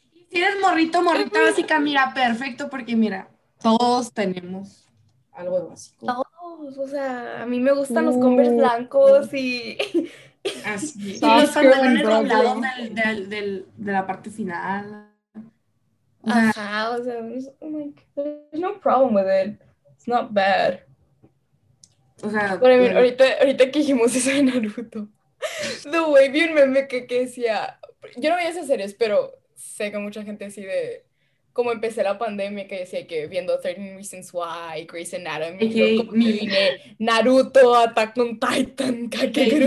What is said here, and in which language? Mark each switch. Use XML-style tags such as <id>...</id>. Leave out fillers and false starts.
<es>Si eres morrito, morrita básica, mira, perfecto, porque mira, todos tenemos algo de básico. Todos, o sea, a mí me gustan los Converse blancos y... Así. Y los pantalones doblados de la parte final. Ajá, o sea,</es> <en>there's no problem with it. It's not bad.</en> <es>O sea... Pero, mira, ahorita que dijimos eso de Naruto...</es> <en>The way</en> <es>vi un meme que decía, yo no veía esas series, pero sé que mucha gente sí de, como empecé la pandemia, que decía que viendo 13 Reasons Why, Grey's Anatomy, Naruto, Attack on Titan, Kakeru.</es>